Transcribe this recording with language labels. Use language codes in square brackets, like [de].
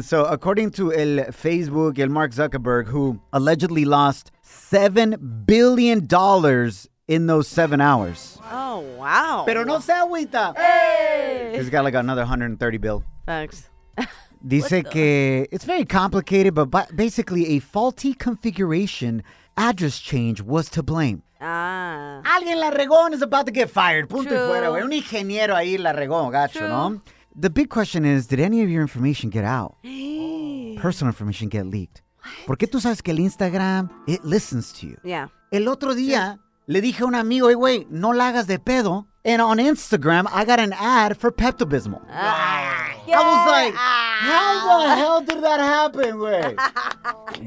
[en] So according to el Facebook, el Mark Zuckerberg, who allegedly lost $7 billion in those 7 hours. Oh, wow. [es] Pero no se agüita. [en] Hey! He's got like another $130 bill. Thanks. [es] Dice que [en] it's very complicated, but basically a faulty configuration address change was to blame. Ah. [es] Alguien la regó [en] and is about to get fired. [es] Punto y fuera, güey. Un ingeniero ahí la regó, gacho, ¿no? [en] The big question is, did any of your information get out? Personal information get leaked. [es] ¿Por qué tú sabes que el Instagram, [en] it listens to you? Yeah. [es] El otro día, le dije a un amigo, hey, güey, no la hagas de pedo. [en] And on Instagram, I got an ad for Pepto-Bismol. Yeah. I was like, how the hell did that happen, güey?